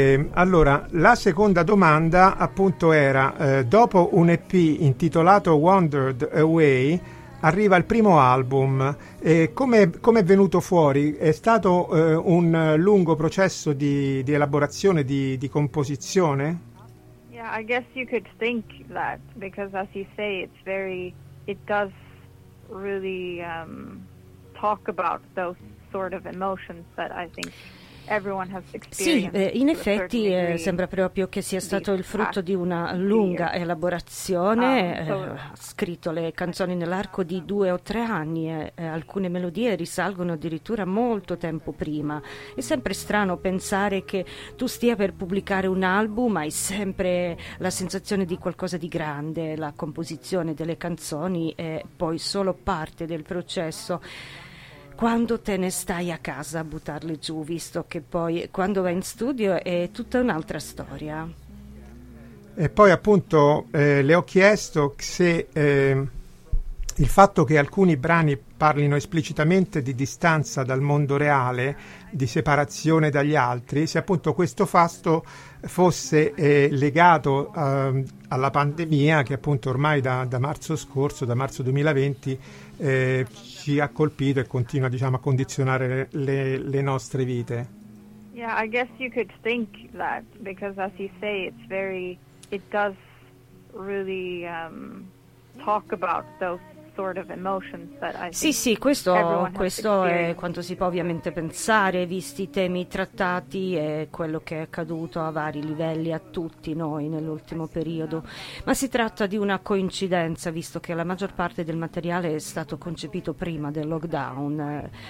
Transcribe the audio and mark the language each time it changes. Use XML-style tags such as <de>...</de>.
<it>Allora, la seconda domanda appunto era, dopo un EP intitolato Wandered Away, arriva il primo album. Come è venuto fuori? È stato un lungo processo di elaborazione, di composizione?</it> <en>Yeah, I guess you could think that, because as you say, it does really talk about those sort of emotions that I think everyone has experienced.</en> <it>Sì, in effetti sembra proprio che sia stato il frutto di una lunga elaborazione. Ha scritto le canzoni nell'arco di 2 o 3 anni, alcune melodie risalgono addirittura molto tempo prima. È sempre strano pensare che tu stia per pubblicare un album, hai sempre la sensazione di qualcosa di grande, la composizione delle canzoni è poi solo parte del processo. Quando te ne stai a casa a buttarle giù, visto che poi quando vai in studio è tutta un'altra storia. E poi appunto le ho chiesto se il fatto che alcuni brani parlino esplicitamente di distanza dal mondo reale, di separazione dagli altri, se appunto questo fatto fosse legato alla pandemia che appunto ormai da marzo 2020, ci ha colpito e continua, diciamo, a condizionare le nostre vite.</it> <en>Yeah, I guess you could think that, because as you say, it does really talk about those sort of emotions that I think.</en> <it>Sì, sì, questo è quanto si può ovviamente pensare, visti i temi trattati e quello che è accaduto a vari livelli a tutti noi nell'ultimo periodo. Ma si tratta di una coincidenza, visto che la maggior parte del materiale è stato concepito prima del lockdown.</it>